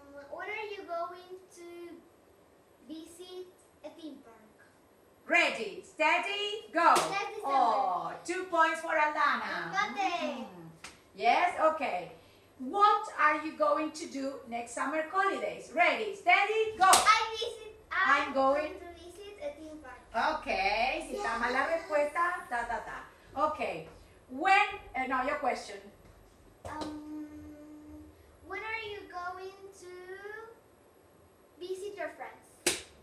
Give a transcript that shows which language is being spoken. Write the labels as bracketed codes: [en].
[en] What are you going to visit? A theme park. Ready, steady, go. Oh, 2 points for Aldana. Got it. Yes, okay. What are you going to do next summer holidays? Ready, steady, go. I'm going to visit a theme park. [es] Okay, si está mal la respuesta, ta ta ta. [en] Okay, your question. When are you going to visit your friends?